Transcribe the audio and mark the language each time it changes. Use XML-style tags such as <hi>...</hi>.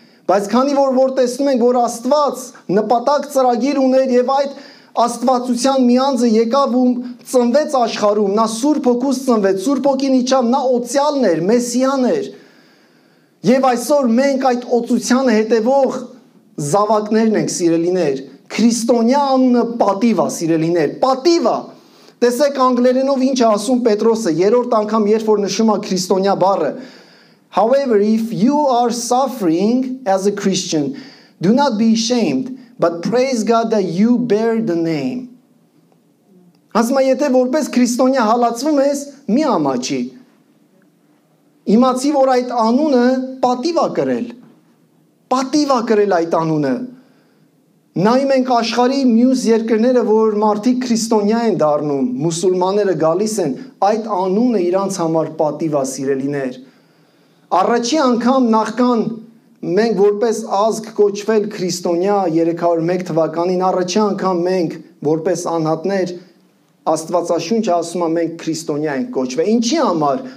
<hy>Բայց քանի որ տեսնում ենք, որ Աստված նպատակ ծրագիր ուներ եւ այդ Աստվածության միանձը եկավ ու ծնվեց աշխարհում, նա Սուրբ Հոգուս ծնվեց, Սուրբ Հոգին իջավ, նա օծյալն էր, Մեսիան էր։ Եվ այսօր մենք այդ օծության հետևող զավակներն ենք, սիրելիներ, քրիստոնյա անունը պատիվա, սիրելիներ, պատիվա։ Տեսեք անգլերենով ինչ ասում Պետրոսը, երրորդ անգամ, երբ որ նշում է քրիստոնյա բառը.</hy> <en>However, if you are suffering as a Christian, do not be ashamed, but praise God that you bear the name.</en> <hy>Ասում է, եթե որպես քրիստոնյա հալածվում ես, մի ամաչի։ Իմացի, որ այդ անունը պատիվա կրել։ Պատիվա կրել այդ անունը։ Նայում ենք աշխարհի մյուս երկրները, որ մարդիկ քրիստոնյա են դառնում, մուսուլմանները գալիս են, այդ անունը իրանց համար պատիվա, սիրելիներ։ Առաջի անգամ նախքան մենք որպես ազգ կոչվել քրիստոնյա 301 թվականին, առաջի անգամ մենք որպես անհատներ Աստվածաշունչը ասում է, մենք քրիստոնյա ենք կոչվել։ Ինչի համար?</hy>